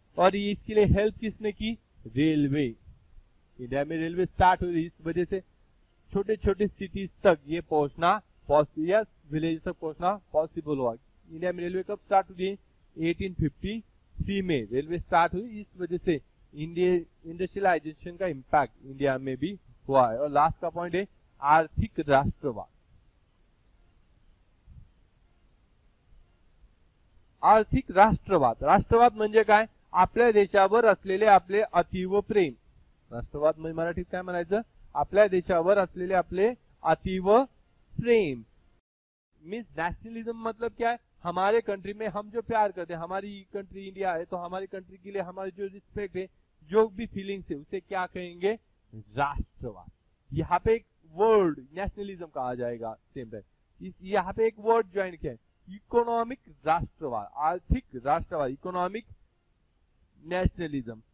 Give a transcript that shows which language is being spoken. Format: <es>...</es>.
<hi>और इसके लिए हेल्प किसने की? रेलवे। इंडिया में रेलवे स्टार्ट हुई, इस वजह से छोटे छोटे सिटीज तक ये पहुंचना या विलेज तक पहुंचना पॉसिबल हुआ। इंडिया में रेलवे कब स्टार्ट हुई? 1853 में रेलवे स्टार्ट हुई, इस वजह से इंडस्ट्रियलाइजेशन का इम्पैक्ट इंडिया में भी हुआ है। और लास्ट का पॉइंट है आर्थिक राष्ट्रवाद।</hi> <mr>आर्थिक राष्ट्रवाद, राष्ट्रवाद म्हणजे काय? आपल्या देशावर असलेले आपले अतीव प्रेम। राष्ट्रवाद म्हणजे मराठीत काय म्हणायचं? आपल्या देशावर असलेले आपले अतीव प्रेम।</mr> <hi>मीन्स नॅशनलिझम मतलब क्या है? हमारे कंट्री में हम जो प्यार करते हैं, हमारी कंट्री इंडिया है तो हमारी कंट्री के लिए हमारे जो रिस्पेक्ट है, जो भी फीलिंग्स है, उसे क्या कहेंगे? राष्ट्रवाद। यहाँ पे एक वर्ड नेशनलिज्म कहा जाएगा, सेम यहाँ पे एक वर्ड ज्वाइन किया है, इकोनॉमिक राष्ट्रवाद, आर्थिक राष्ट्रवाद, इकोनॉमिक नेशनलिज्म।</hi>